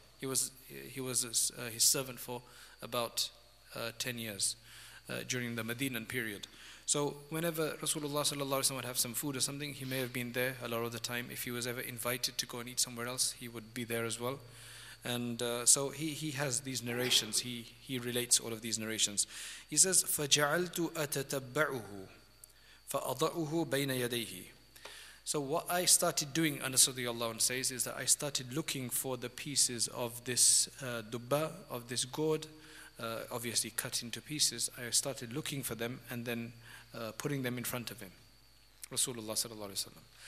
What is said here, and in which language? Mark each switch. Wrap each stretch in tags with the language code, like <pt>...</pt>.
<en>He was his servant for about 10 years during the Medinan period. So whenever Rasulullah sallallahu alaihi wasallam would have some food or something, he may have been there a lot of the time. If he was ever invited to go and eat somewhere else, he would be there as well. And so he has these narrations. He relates all of these narrations. He says,</en> <ar>فَجَعَلْتُ أَتَتَبَّعُهُ فَأَضَعُهُ بَيْنَ يَدَيْهِ.</ar> <en>So what I started doing, Anas radiyallahu anhu says, is that I started looking for the pieces of this dubba, of this gourd, obviously cut into pieces. I started looking for them and then putting them in front of him, Rasulullah sallallahu alaihi wasallam.</en>